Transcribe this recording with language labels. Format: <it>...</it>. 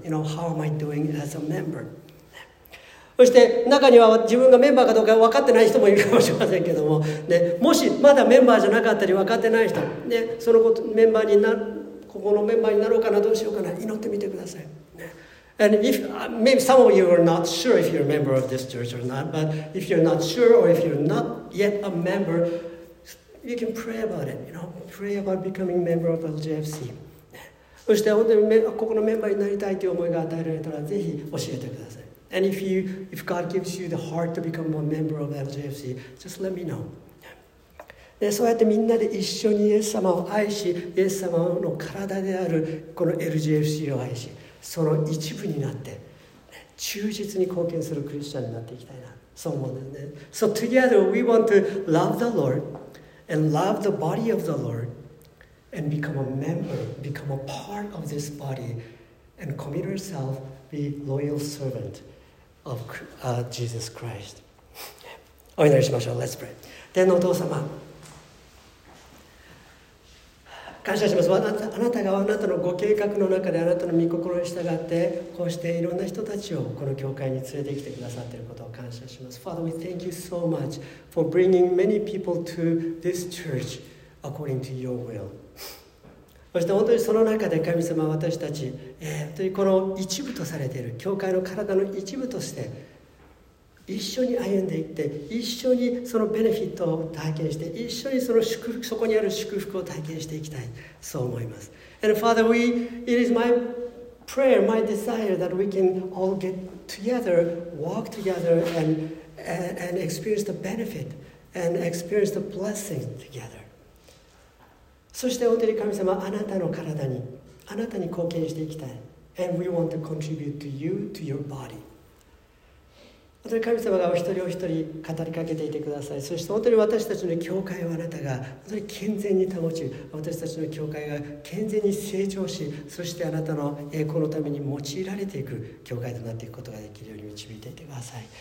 <en>You know, how am I doing as a member?</en> <ja>そして中には自分がメンバーかどうか分かってない人もいるかもしれませんけども、ね、もしまだメンバーじゃなかったり分かってない人、ね、そのことメンバーになここのメンバーになろうかな、どうしようかな、祈ってみてください。</ja> <en>And if maybe some of you are not sure if you're a member of this church or not, but if you're not sure or if you're not yet a member, you can pray about it. You know, pray about becoming a member of LJFC.</en> <ja>そして本当にここのメンバーになりたいという思いが与えられたらぜひ教えてください。</ja> <en>And if God gives you the heart to become a member of LJFC, just let me know.</en> <ja>でそうやってみんなで一緒にイエス様を愛し、イエス様の体であるこの LJFC を愛し、その一部になって、ね、忠実に貢献するクリスチャンになっていきたいな、そう思うんですね。</ja> <en>So together we want to love the Lord and love the body of the Lord and become a member, become a part of this body and commit ourselves, be loyal servant of Jesus Christ.</en> <ja>お祈りしましょう。</ja> <en>Let's pray.</en> <ja>天のお父様、感謝します。あなたがあなたのご計画の中であなたの御心に従ってこうしていろんな人たちをこの教会に連れてきてくださっていることを感謝します。</ja> <en>Father, we thank you so much for bringing many people to this church according to your will.</en> <ja>そして本当にその中で神様、私たち、本当にこの一部とされている教会の体の一部として一緒に歩んでいって、一緒にそのベネフィットを体験して、一緒にその祝福、そこにある祝福を体験していきたい、そう思います。</ja> <en>And Father, it is my prayer, my desire that we can all get together, walk together and experience the benefit and experience the blessing together.</en> <ja>そして本当に神様、あなたの体に、あなたに貢献していきたい。</ja> <en>And we want to contribute to you, to your body.</en> <ja>本当に神様がお一人お一人語りかけていてください。そして本当に私たちの教会をあなたが本当に健全に保ち、私たちの教会が健全に成長し、そしてあなたの栄光のために用いられていく教会となっていくことができるように導いていてください。</ja>